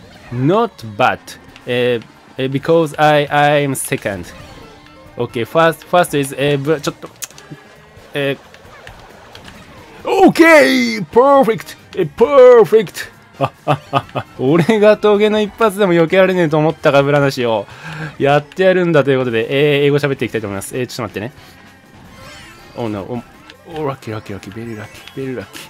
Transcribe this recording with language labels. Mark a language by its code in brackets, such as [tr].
[en] not bad, because I'm second. OK, first is, [ja] ちょっと、 [en] OK! Perfect! Perfect! [ja] 俺がトゲの一発でも避けられねえと思ったかぶらなしをやってやるんだということで、英語喋っていきたいと思います。ちょっと待ってね。 [en] Oh no. Oh, lucky, lucky, lucky, very lucky, very lucky.